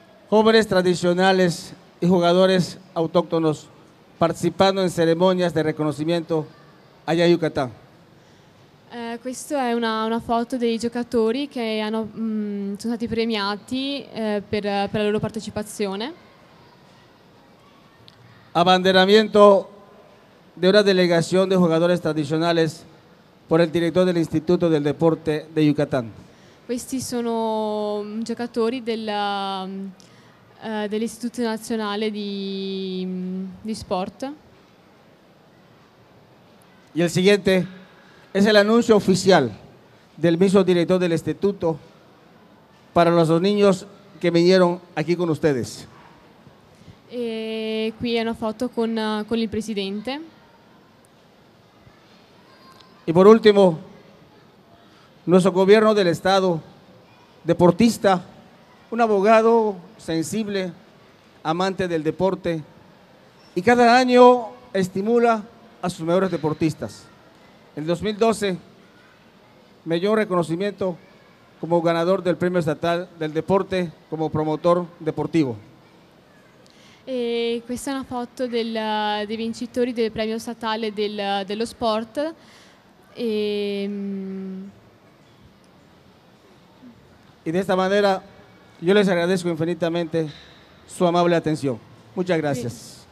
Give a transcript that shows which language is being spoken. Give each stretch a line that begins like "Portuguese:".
Spanish: Jóvenes tradicionales y jugadores autóctonos participando en ceremonias de reconocimiento allá en Yucatán.
Italian: Questa è una foto dei giocatori che sono stati premiati per la loro partecipazione.
Spanish: Abanderamiento de una delegación de jugadores tradicionales por el director del Instituto del Deporte de Yucatán.
Italian: Questi sono giocatori dell'Istituto Nazionale di Sport.
Spanish: Y el siguiente. Es el anuncio oficial del mismo director del instituto para los niños que vinieron aquí con ustedes. Aquí hay una foto con el presidente. Y por último, nuestro gobierno del estado, deportista, un abogado sensible, amante del deporte, y cada año estimula a sus mejores deportistas. En 2012 me dio un reconocimiento como ganador del premio estatal del deporte como promotor deportivo.
Italian: Questa è una foto dei vincitori del premio statale dello sport.
Spanish: Y de esta manera yo les agradezco infinitamente su amable atención. Muchas gracias.